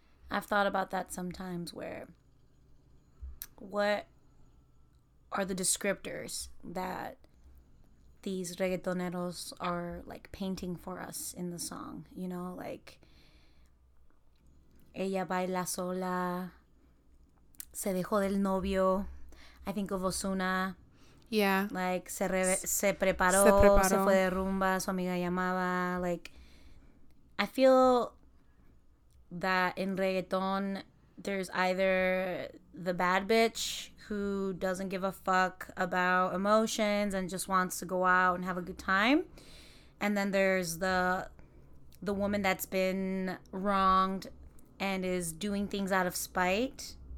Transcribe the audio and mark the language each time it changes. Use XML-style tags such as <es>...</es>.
<en>I've thought about that sometimes, where what are the descriptors that these reggaetoneros are like painting for us in the song, you know, like</en> <es>ella baila sola, se dejó del novio.</es> <en>I think of Ozuna. Yeah. Like,</en> <es>se preparó, se fue de rumba, su amiga llamaba.</es> <en>Like, I feel that in reggaeton, there's either the bad bitch who doesn't give a fuck about emotions and just wants to go out and have a good time. And then there's the woman that's been wronged and is doing things out of spite.</en>